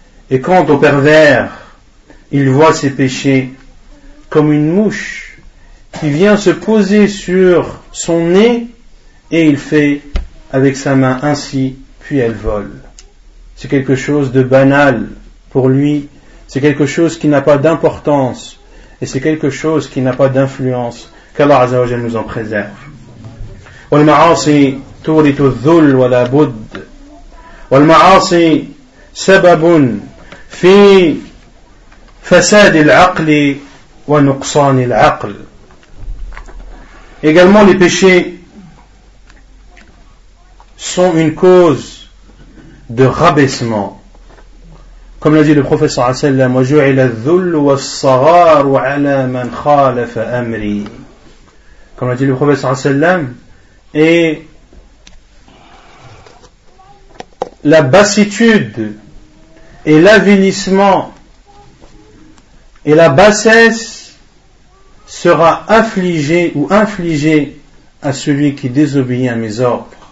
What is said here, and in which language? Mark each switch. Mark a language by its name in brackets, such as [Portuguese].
[French] Et quant au pervers, il voit ses péchés comme une mouche qui vient se poser sur son nez et il fait avec sa main ainsi, puis elle vole. C'est quelque chose de banal pour lui, c'est quelque chose qui n'a pas d'importance, et c'est quelque chose qui n'a pas d'influence. Qu'Allah Azza wa Jalla nous en préserve. [Arabic] والمعاصي تورث الذل ولا بد والمعاصي سبب في فساد العقل ونقصان العقل. [French] Également, les péchés sont une cause de rabaissement. Comme l'a dit le prophète [Arabic] صلى الله عليه وسلم, وجعل الذل والصغار على من خالف أمري. [French] Comme l'a dit le prophète [Arabic] صلى الله عليه وسلم, [French] et la bassitude et l'avilissement et la bassesse sera affligée ou infligée à celui qui désobéit à mes ordres.